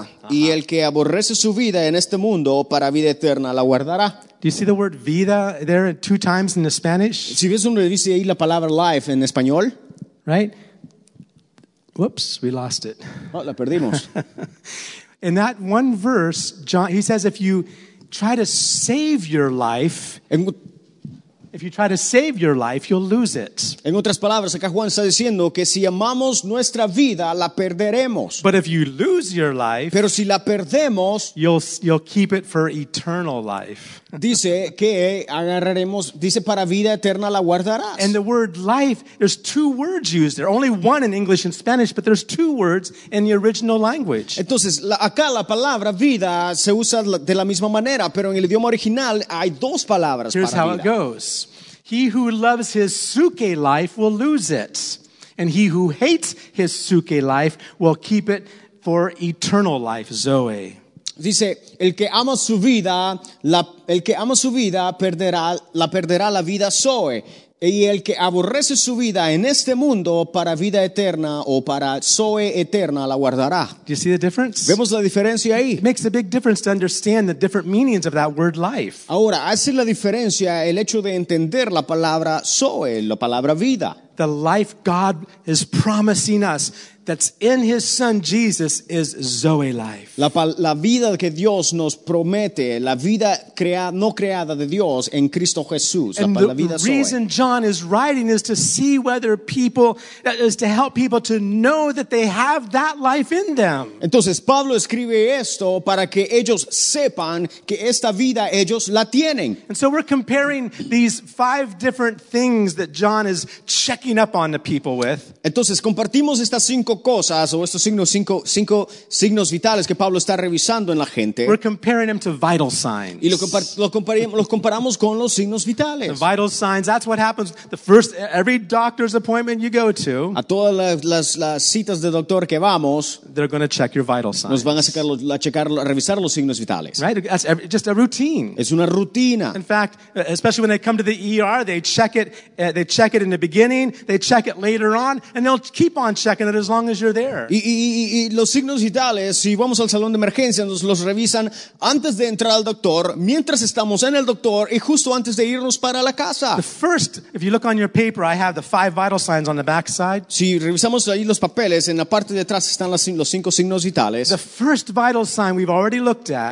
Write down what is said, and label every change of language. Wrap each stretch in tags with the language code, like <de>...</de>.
<es>Uh-huh. Y el que aborrece su vida en este mundo para vida eterna la guardará.</es> <en>Do you see the word vida there two times in the Spanish?</en> <es>Si ves donde dice ahí la palabra life en español.</es> <en>Right? Whoops, we lost it.</en> <es>Oh, la perdimos.</es> <en>In that one verse, John, he says if you try to save your life, if you try to save your life, you'll lose it.</en> <es>En otras palabras, acá Juan está diciendo que si amamos nuestra vida, la perderemos.</es> <en>But if you lose your life,</en> <es>pero si la perdemos,</es> <en>you'll keep it for eternal life.</en> <es>Dice que agarraremos, dice para vida eterna la guardarás.</es> <en>And the word life, there's two words used there. Only one in English and Spanish, but there's two words in the original language.</en> <es>Entonces, acá la palabra vida se usa de la misma manera, pero en el idioma original hay dos palabras para vida.</es> <en>Here's how it goes. He who loves his suke life will lose it. And he who hates his suke life will keep it for eternal life, Zoe.</en> <es>Dice, el que ama su vida perderá la vida, Zoe. Y el que aborrece su vida en este mundo para vida eterna o para Zoe eterna la guardará.</es> <en>Do you see the difference?</en> <es>¿Vemos la diferencia ahí?</es> <en>It makes a big difference to understand the different meanings of that word life.</en> <es>Ahora, hace la diferencia el hecho de entender la palabra Zoe, la palabra vida.</es> <en>The life God is promising us that's in his son Jesus is Zoe life.</en> <es>La vida que Dios nos promete, la vida no creada de Dios en Cristo Jesús, la vida Zoe.</es> <en>The reason John is writing is to see whether people, is to help people to know that they have that life in them.</en> <es>Entonces Pablo escribe esto para que ellos sepan que esta vida ellos la tienen.</es> <en>And so we're comparing these five different things that John is checking up on the people with.</en> <es>Entonces compartimos estas cinco cosas o estos cinco signos vitales que Pablo está revisando en la gente.</es> <en>We're comparing them to vital signs.</en> <es>Y los comparamos con los signos vitales.</es> <en>The vital signs, that's what happens the first every doctor's appointment you go to.</en> <es>A todas las citas de doctor que vamos,</es> <en>they're going to check your vital signs.</en> <es>Nos van a revisar los signos vitales.</es> <en>Right? That's just a routine.</en> <es>Es una rutina.</es> <en>In fact, especially when they come to the ER, they check it in the beginning, they check it later on, and they'll keep on checking it as long as you're there.</en> <es>Y los signos vitales, si vamos al salón de emergencia, nos los revisan antes de entrar al doctor, mientras estamos en el doctor y justo antes de irnos para la casa.</es> <en>The first, if you look on your paper, I have the five vital signs on the back side.</en> <es>Si revisamos ahí los papeles, en la parte de atrás están los cinco signos vitales.</es> <en>The first vital sign we've already looked at.</en>